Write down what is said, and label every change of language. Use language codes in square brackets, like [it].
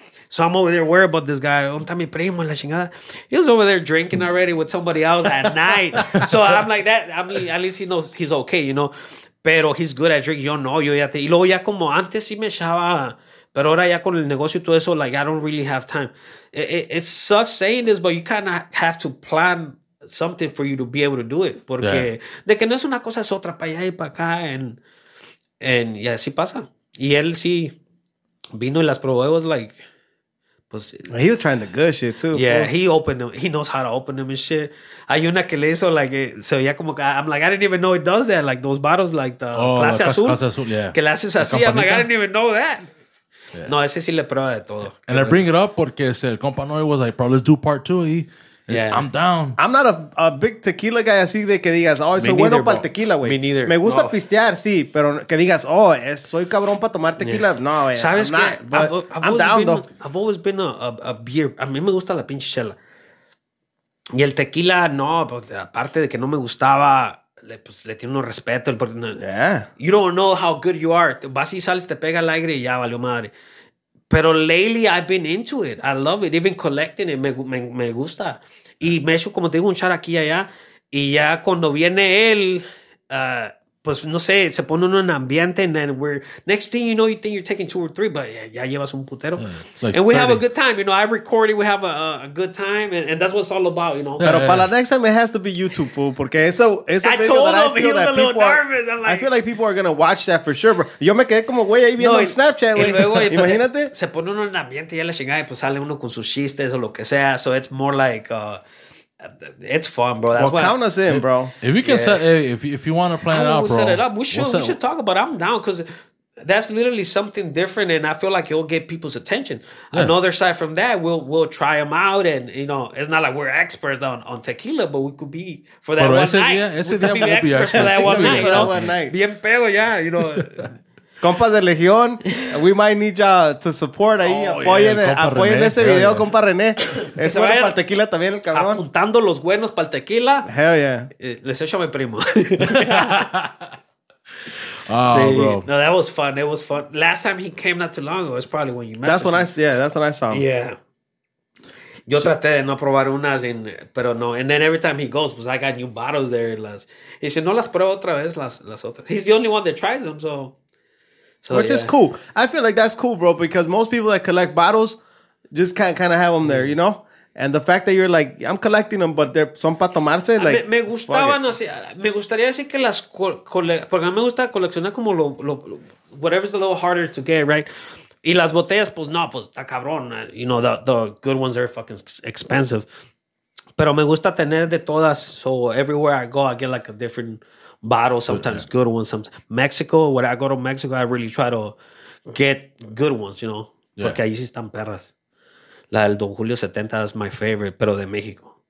[en] So I'm over there worried about this guy. ¿Dónde está mi primo en la chingada? He was over there drinking already with somebody else at night. So I'm like that. I mean, at least he knows he's okay, you know? Pero he's good at drinking. Yo no, yo ya te... Y luego ya como antes sí me echaba... Pero ahora ya con el negocio y todo eso, like, I don't really have time. It sucks saying this, but you kind of have to plan something for you to be able to do it. [es] Porque de que no es una cosa, es otra, para allá y para acá. Y así pasa. Y él sí vino y las probó. It was like... Pues, [en] he was trying the good shit too. Yeah, bro. He opened them. He knows how to open them and shit. Hay una que le hizo like, so yeah, como que, I'm like, I didn't even know it does that. Like those bottles, like the clase azul. Clase azul, yeah. [es] Que le haces así. I'm like, I didn't even know that. Yeah. No, ese sí le prueba de todo. [en] Yeah. And I bring it up porque el compa Noy was like, bro, let's do part two. I'm down. I'm not a big tequila guy así de que digas, oh, soy bueno para el tequila, güey. Me neither. [es] Me gusta pistear, sí, pero que digas, oh, soy cabrón para tomar tequila. [en] Yeah. No, güey. ¿Sabes qué? I've always been a beer. [es] A mí me gusta la pinche chela. Y el tequila, no, pues, aparte de que no me gustaba, pues le tiene un respeto. You don't know how good you are. Vas y sales, te pega el aire y ya valió madre. [en] Pero lately I've been into it. I love it. Even collecting it. [es] Me gusta. Y me echo, como te digo, un char aquí y allá. Y ya cuando viene él, pues no sé, se pone uno en ambiente. And then we're, next thing you know, you think you're taking 2 or 3, but [en] ya llevas un putero. [es] Yeah, like and we 30. Have a good time. You know, I record it. We have a good time. And that's what it's all about, you know. Pero para la next time, it has to be YouTube, fool. Porque eso I told him, he was a little nervous. I feel like people are going to watch that for sure, bro. Yo me quedé como güey ahí viendo Snapchat, güey. Imagínate. Se pone uno en ambiente y ya la chingada. Y pues sale uno con sus chistes o lo que sea. [en] So it's more like... it's fun, bro. That's count us in, bro. If you can set, if you want to plan it out, bro. We'll set it up. We should talk about it. I'm down because that's literally something different, and I feel like it'll get people's attention. Yeah. Another side from that, we'll try them out, and you know, it's not like we're experts on tequila, but we could be for that one night. Bien pedo, yeah, you know. Compas de Legión, we might need y'all to support ahí. [es] Apoyen ese video, compa René. Es bueno para el tequila también, el cabrón. Apuntando los buenos para el tequila. Hell yeah. Les echo a mi primo. Oh, sí. Bro. [en] No, that was fun. It was fun. Last time he came not too long ago, it's probably when you met. That's when I saw him. Yeah. Yo traté de no probar unas, pero no. And then every time he goes, pues I got new bottles there. [es] He said, no las pruebo otra vez, las otras. [en] He's the only one that tries them, so... Which is cool. I feel like that's cool, bro, because most people that collect bottles just can't kind of have them there, you know? And the fact that you're like, I'm collecting them, but they're son para tomarse, like... [es] Me gustaban así. Me gustaría decir que las... Porque a mí me gusta coleccionar como lo... Whatever's a little harder to get, right? Y las botellas, pues no, pues está cabrón. [en] You know, the good ones are fucking expensive. Pero me gusta tener de todas. So everywhere I go, I get like a different... bottles, sometimes good ones. Sometimes Mexico, when I go to Mexico, I really try to get good ones, you know. [es] Yeah. Porque ahí sí están perras. La del Don Julio 70 is my favorite, pero de Mexico.